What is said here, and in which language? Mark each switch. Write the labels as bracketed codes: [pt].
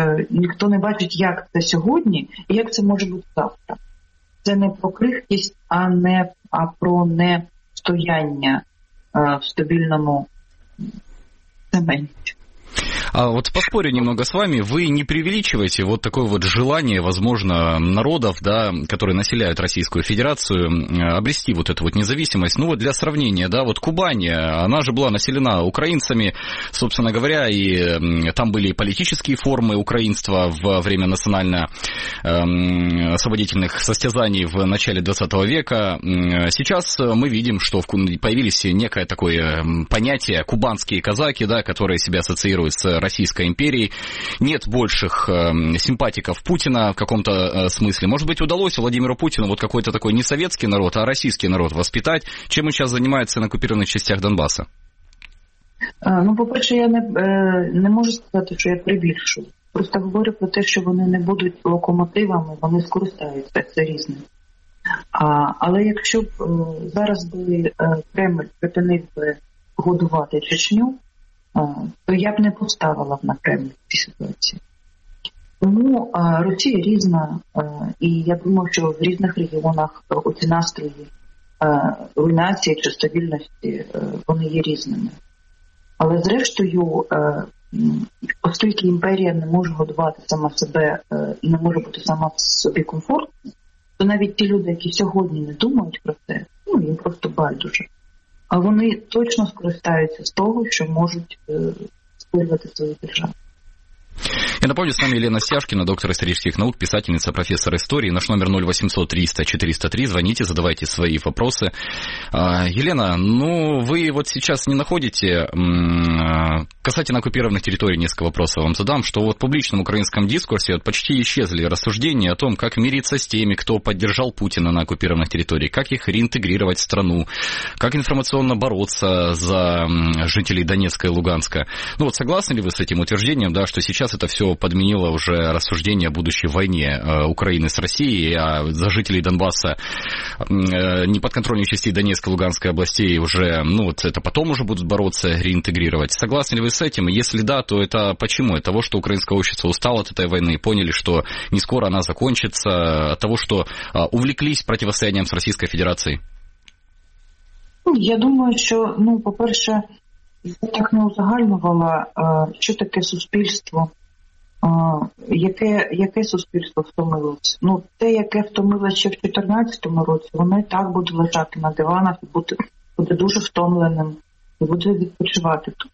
[uk] Ніхто не бачить, як це сьогодні і як це може бути завтра. Це не про крихкість, а про нестояння в стабильному цементе. [ru] А вот поспорю немного с вами, вы не преувеличиваете вот такое вот желание, возможно, народов, да, которые населяют Российскую Федерацию, обрести вот эту вот независимость. Ну вот для сравнения, да, вот Кубань, она же была населена украинцами, собственно говоря, и там были политические формы украинства во время национально-освободительных состязаний в начале 20 века. Сейчас мы видим, что появились некое такое понятие «кубанские казаки», да, которые себя ассоциируют с Российской империи, нет больших симпатиков Путина в каком-то смысле. Может быть, удалось Владимиру Путину вот какой-то такой не советский народ, а российский народ воспитать? Чем он сейчас занимается на оккупированных частях Донбасса? [uk] Ну, по-перше, я не можу сказати, що я прибільшу. Просто говорю про те, що вони не будуть локомотивами, вони скористаються, це різне. Але якщо б зараз би Кремль припинив би годувати Чечню, то я б не поставила на Кремль в цій ситуації. Тому Росія різна, і я думаю, що в різних регіонах оці настрої руйнації чи стабільності вони є різними. Але зрештою, оскільки імперія не може годувати сама себе і не може бути сама собі комфортна, то навіть ті люди, які сьогодні не думають про це, ну, їм просто байдуже. А вони точно скористаються з того, що можуть створювати свою державу. [ru] Я напомню, с вами Елена Сяшкина, доктор исторических наук, писательница, профессор истории. Наш номер 0800-300-403. Звоните, задавайте свои вопросы. Елена, ну вы вот сейчас не находите, касательно оккупированных территорий, несколько вопросов вам задам, что вот в публичном украинском дискурсе вот почти исчезли рассуждения о том, как мириться с теми, кто поддержал Путина на оккупированных территориях, как их реинтегрировать в страну, как информационно бороться за жителей Донецка и Луганска. Ну вот согласны ли вы с этим утверждением, да, что сейчас это все подменило уже рассуждение о будущей войне Украины с Россией, а за жителей Донбасса, неподконтрольных частей Донецкой и Луганской областей уже, ну вот это потом уже будут бороться, реинтегрировать. Согласны ли вы с этим? Если да, то это почему? От того, что украинское общество устало от этой войны и поняли, что не скоро она закончится, от того, что увлеклись противостоянием с Российской Федерацией? Я думаю, что, [uk] ну, по-перше, я так не узагальнувала, що таке суспільство, яке суспільство втомилося. Ну, те, яке втомилося ще в 2014 році, воно і так буде лежати на диванах, буде дуже втомленим, і буде відпочивати.